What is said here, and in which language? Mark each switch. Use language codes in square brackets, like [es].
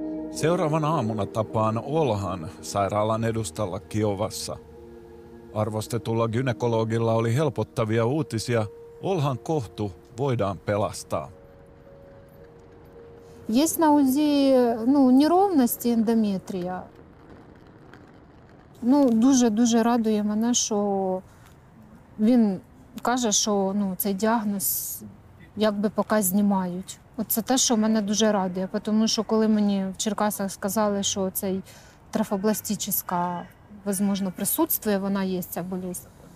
[fi] Seuraavana aamuna tapaan Olhan sairaalan edustalla Kiovassa. Arvostetulla gynekologilla oli helpottavia uutisia. Olhan kohtu voidaan pelastaa. [ru] Есть на УЗИ, ну, неровности эндометрия. [uk] Ну, дуже-дуже радує мене, що він каже, що, ну, цей діагноз якби поки знімають. Це те, що мене дуже радує, тому що коли мені в Черкасах сказали, що цей трафобластична, можливо, присутствує, вона є, ця болість.